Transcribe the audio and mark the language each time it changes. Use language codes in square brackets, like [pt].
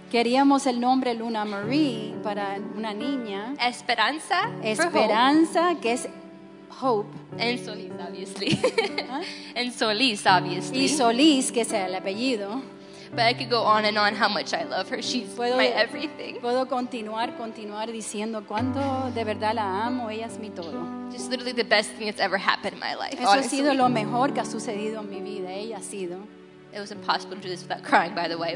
[es] Queríamos el nombre Lunamarie para una niña. Esperanza. Esperanza, [en] for hope. [es] Que es hope. [en] And Solis, obviously. Huh? And Solis, obviously. [es] Y Solis, que es el apellido. [en] But I could go on and on how much I love her. She's my everything. [es] Puedo continuar diciendo cuánto de verdad la amo. Ella es mi todo. [en] Just literally the best thing that's ever happened in my life. [es] Eso ha sido lo mejor que ha sucedido en mi vida. Ella ha sido. [en] It was impossible to do this without crying, by the way.